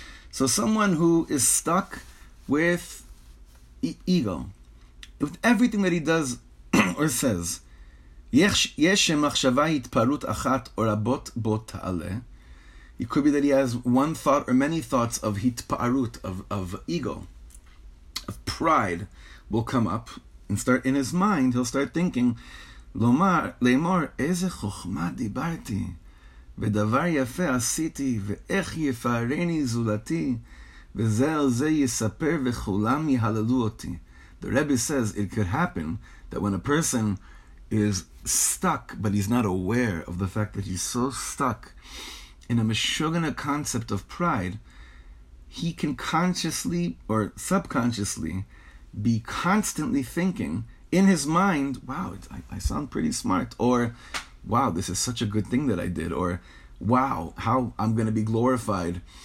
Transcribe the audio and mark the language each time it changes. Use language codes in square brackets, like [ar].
[en] So someone who is stuck with ego, with everything that he does or says, it could be that he has one thought or many thoughts of hitpa'arut, of ego, of pride, will come up and start in his mind. He'll start thinking, [he] lomar leimor eze chokhma dibarti. ודבר יפה עשיתי, ואיך יפארני זולתי, וזה על זה יספר וכולם יהללו אותי. [en] The Rebbe says it could happen that when a person is stuck, but he's not aware of the fact that he's so stuck in a meshuggah concept of pride, he can consciously or subconsciously be constantly thinking in his mind, wow, I sound pretty smart, or wow, this is such a good thing that I did, or wow, how I'm going to be glorified